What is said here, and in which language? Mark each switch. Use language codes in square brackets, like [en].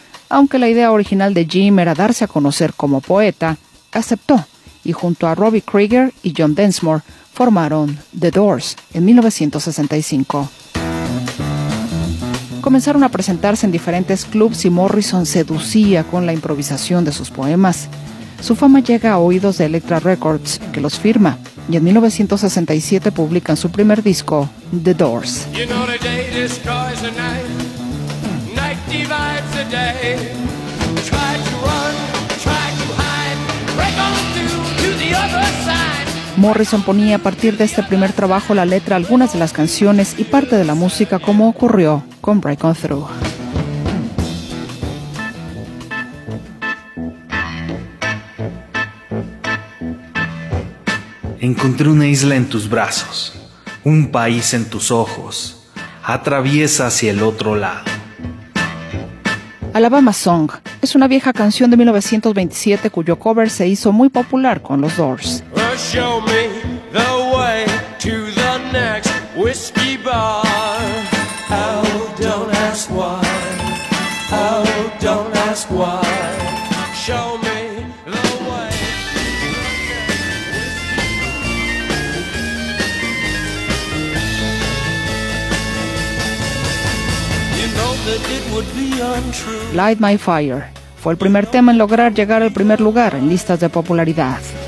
[es] Aunque la idea original de Jim era darse a conocer como poeta, aceptó, y junto a Robbie Krieger y John Densmore, formaron The Doors en 1965. Comenzaron a presentarse en diferentes clubs y Morrison seducía con la improvisación de sus poemas. Su fama llega a oídos de Elektra Records, que los firma, y en 1967 publican su primer disco, The Doors. [en] You know, the day destroys the night divides the day. Try to run, try to hide, break on through to the other side. [es] Morrison ponía a partir de este primer trabajo la letra, algunas de las canciones y parte de la música, como ocurrió con Break On Through. Encontré una isla en tus brazos, un país en tus ojos, atraviesa hacia el otro lado. Alabama Song es una vieja canción de 1927 cuyo cover se hizo muy popular con los Doors. [en] Show me the way to the next whiskey bar. Oh, don't ask why. Oh, don't ask why. Show me the way. You know that it would be untrue. [es] Light My Fire fue el primer tema en lograr llegar al primer lugar en listas de popularidad.